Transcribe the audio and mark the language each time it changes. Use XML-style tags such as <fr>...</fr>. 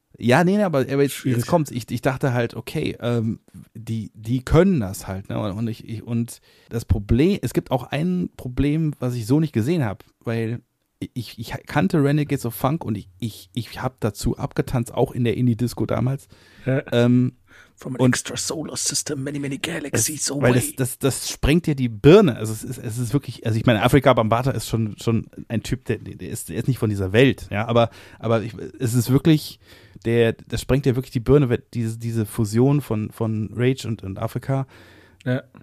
<de>Ja, nee, aber jetzt kommt's. Ich dachte halt, okay, die können das halt, ne? Und und das Problem, es gibt auch ein Problem, was ich so nicht gesehen habe, weil ich kannte Renegades of Funk und ich habe dazu abgetanzt, auch in der Indie-Disco damals.</de> <en>From an extra solar system, many, many galaxies away.</en> <de>Weil das sprengt dir die Birne. Also es ist wirklich, also ich meine, Afrika Bambaata ist schon ein Typ, der ist nicht von dieser Welt, ja, aber es ist wirklich. Das sprengt ja wirklich die Birne, diese Fusion von Rage und Afrika. Ja.</de>